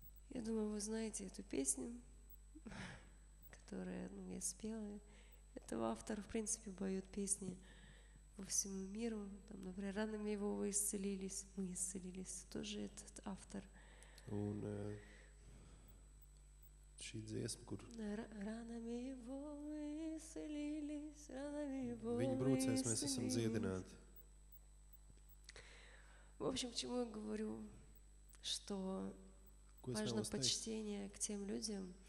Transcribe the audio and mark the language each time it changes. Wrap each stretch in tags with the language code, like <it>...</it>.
<ru>Я думаю, вы знаете эту песню, которую я спела. Этого автора, в принципе, поют песни по всему миру. Там, например, ранами его вы исцелились, мы исцелились. Тоже этот автор.</ru> <lv>Un šī dziesma, kur...</lv> <ru>Ranami его исцелились, ранами его исцелились.</ru> <lv>Viņa brūcēs mēs esam dziedināti.</lv> <ru>В общем, к чему я говорю, что важно почтение к тем людям,</ru>